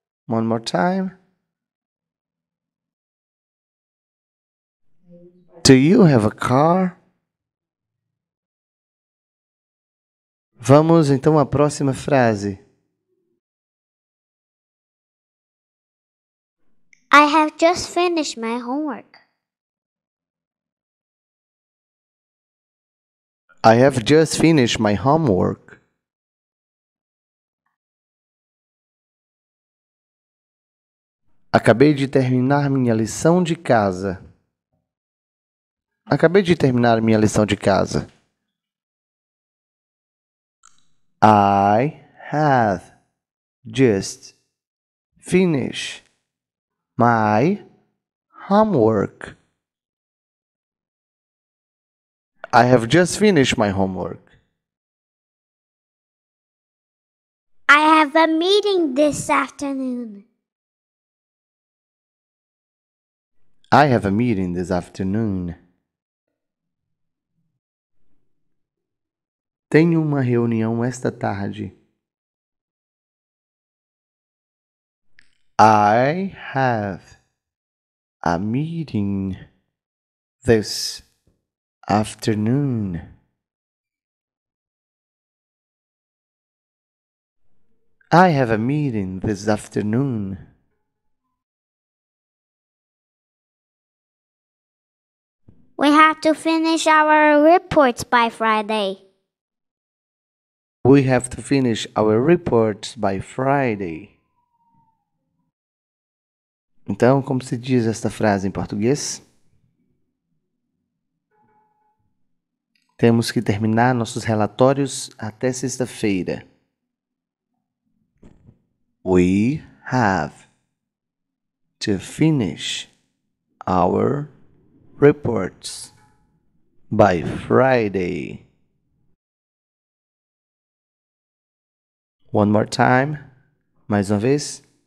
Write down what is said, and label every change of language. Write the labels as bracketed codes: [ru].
[en] One more time. Do you have a car? [pt] Vamos então à próxima frase. [en] I have just finished my homework. I have just finished my homework. [pt] Acabei de terminar minha lição de casa. Acabei de terminar minha lição de casa. [en] I have just finished my homework. I have just finished my homework. I have a meeting this afternoon. I have a meeting this afternoon. [pt] Tenho uma reunião esta tarde. [en] I have a meeting this afternoon. I have a meeting this afternoon. We have to finish our reports by Friday. We have to finish our reports by Friday. [pt] Então, como se diz esta frase em português? Temos que terminar nossos relatórios até sexta-feira. [en] We have to finish our reports by Friday. One more time. [pt] Mais uma vez.